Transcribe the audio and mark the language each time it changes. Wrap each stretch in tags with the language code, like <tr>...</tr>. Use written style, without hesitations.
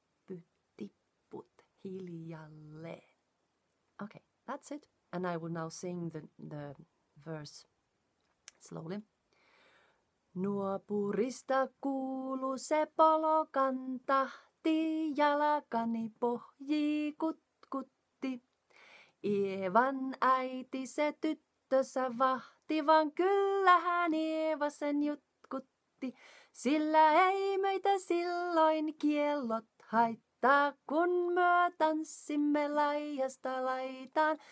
<fi>Äppy, tipput, hiljalleen.</fi> <en>Okay, that's it. And I will now sing the verse slowly.</en> <fi>Nuopurista kuulu se polokan tahti, jalakani pohjii kutkutti. Ievan äiti se tyttössä vahti. Vaan kyllähän Ieva sen jutkutti, sillä ei meitä silloin kiellot haittaa, kun myö tanssimme laijasta laitaan.</fi>